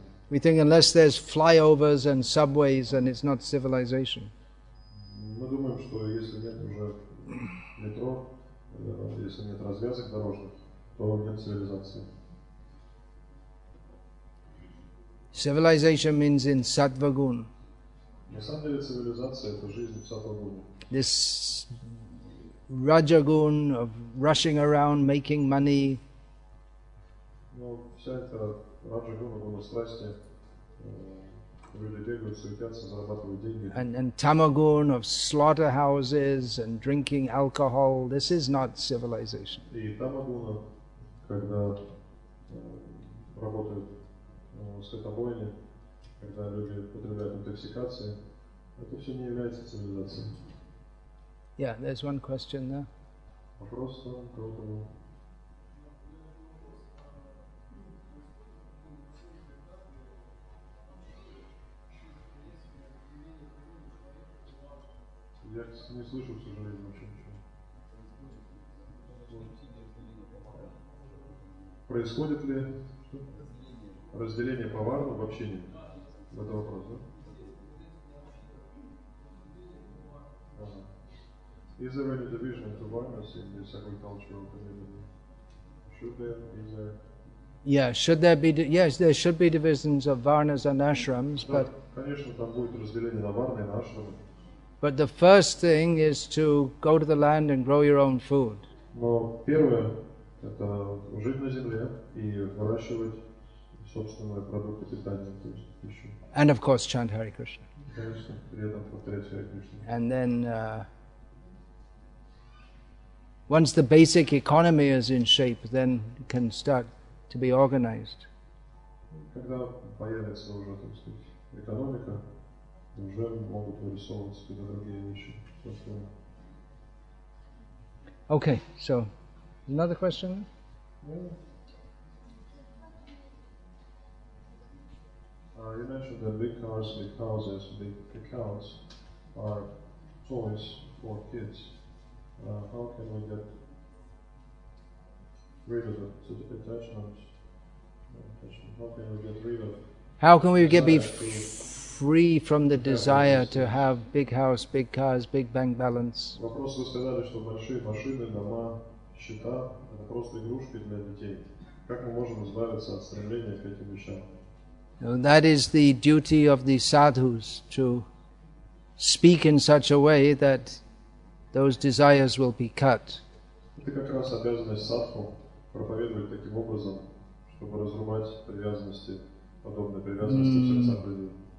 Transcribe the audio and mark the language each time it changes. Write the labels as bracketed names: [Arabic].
[English] We think unless there's flyovers and subways, then it's not civilization. [Russian] Мы думаем, что если нет уже метро, если нет развязок дорожных, то нет цивилизации. [English] Civilization means in sattva-gun. [Russian] На самом деле цивилизация – это жизнь в сатва-гуне. [English] This raja-gun of rushing around, making money. [Russian] Но вся эта раджа-гуна, гуна страсти. [English] And tamagun of slaughterhouses and drinking alcohol, this is not civilization. [Russian] И тамагуна, когда работают скотобойни, когда люди употребляют интоксикацию, это все не является цивилизацией. [English] Yeah, there's one question there. [Russian] Вопрос там, кого-то был. Я не слышу, к сожалению, вообще ничего. Происходит ли разделение по варну в общении? Это вопрос, да? [English] Is there any division into varnas in the agricultural community? Should there, is there? Yeah, should there be, yes, there should be divisions of varnas and ashrams, but... [Russian] Конечно, там будет разделение на варны и на ашрамы. [English] But the first thing is to go to the land and grow your own food. [Russian] Но первое это жить на земле и выращивать собственные продукты питания, то есть пищу. [English] And of course, chant Hare Krishna. [Russian] Конечно, при этом повторять Hare Krishna. [English] And then, once the basic economy is in shape, then it can start to be organized. [Russian] Когда появится уже, так сказать, экономика. Уже могут вырисовываться какие-то другие вещи. [English] Okay, so, another question? Yeah. You mentioned that big cars, big houses, big accounts are toys for kids. How can we get rid of the attachment? How can we get rid of... How can we get be... free from the desire to have big house, big cars, big bank balance. [Russian] Вопрос вы сказали, что большие машины, дома, счета – это просто игрушки для детей. Как мы можем избавиться от стремления к этим вещам? [English] That is the duty of the sadhus, to speak in such a way that those desires will be cut. [Russian] Это как раз обязанность садху – проповедовать таким образом, чтобы разрубать привязанности, подобные привязанности в сердцах людей.